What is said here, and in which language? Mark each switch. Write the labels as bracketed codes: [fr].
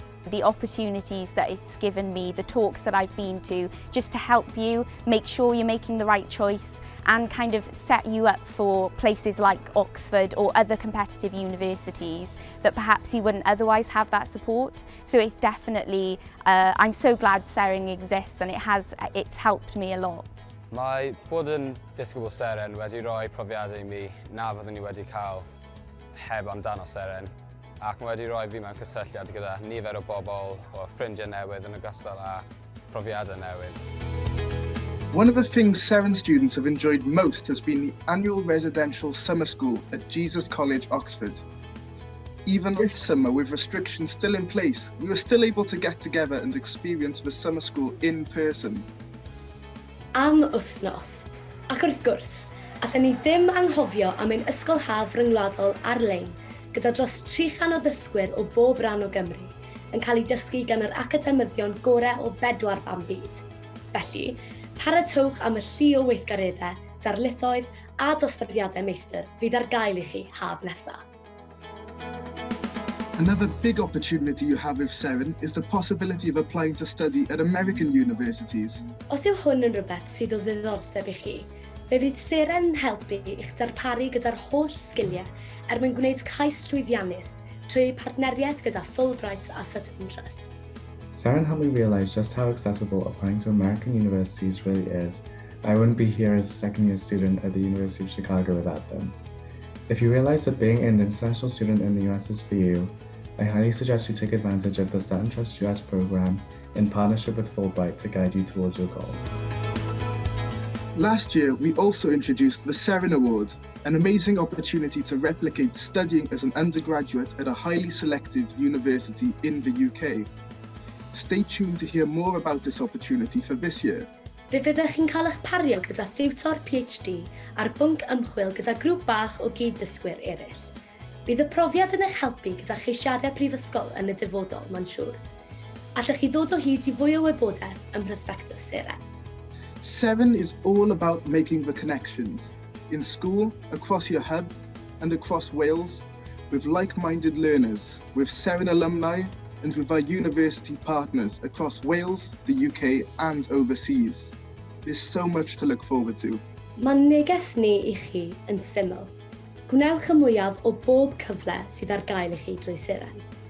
[en] The opportunities that it's given me, the talks that I've been to, just to help you make sure you're making the right choice and kind of set you up for places like Oxford or other competitive universities that perhaps you wouldn't otherwise have that support. So it's definitely, I'm so glad Seren exists and it's helped me a lot. [cy] Mae bod yn disgybl Seren wedi rhoi profiadau i mi na fyddwn ni wedi cael heb amdano Seren. Ac mae wedi rhoi fi mewn cysylltiad gyda nifer o bobl o ffrindiau newydd yn ogystal â profiadau newydd. [en] One of the things Seren students have enjoyed most has been the annual residential summer school at Jesus College, Oxford. Even this summer, with restrictions still in place, we were still able to get together and experience the summer school in person. [cy] Am wythnos, ac wrth gwrs, allan ni ddim anghofio am ein ysgol haf ryngwladol ar-lein gyda dros 300 o ddysgwyr o bob ran o Gymru yn cael eu dysgu gan yr academyddion gorau o bedwar fan byd. Felly, paratwch am y llu o weithgareddau, darlithoedd a dosbarthiadau meistr fydd ar gael i chi haf nesaf. [en] Another big opportunity you have with Seren is the possibility of applying to study at American universities. [cy] Os yw hwn yn rhywbeth sydd o ddiddordeb i chi, fe fydd Seren helpu i'ch darparu gyda'r holl sgiliau er mwyn gwneud cais llwyddiannus trwy partneriaeth gyda Fulbright a Sutton Trust. [en] Seren helped me realise just how accessible applying to American universities really is. I wouldn't be here as a second year student at the University of Chicago without them. If you realise that being an international student in the US is for you, I highly suggest you take advantage of the Sutton Trust US program in partnership with Fulbright to guide you towards your goals. Last year, we also introduced the Seren Award, an amazing opportunity to replicate studying as an undergraduate at a highly selective university in the UK. Stay tuned to hear more about this opportunity for this year. [cy] Fe fyddech chi'n cael eich pario gyda thiwtor PhD ar bwnc ymchwil gyda grŵp bach o gyd-dysgwyr eraill. Bydd y profiad yn eich helpu gyda cheisiadau prifysgol yn y dyfodol, mae'n siŵr. Allech chi ddod o hyd i fwy o wybodaeth ym mhrosbectws Seren. [en] Seren is all about making the connections, in school, across your hub, and across Wales, with like-minded learners, with Seren alumni, and with our university partners across Wales, the UK, and overseas. There's so much to look forward to. [cy] Mae'n neges ni i chi yn syml. Gwnewch y mwyaf o bob cyfle sydd ar gael i chi drwy Seren.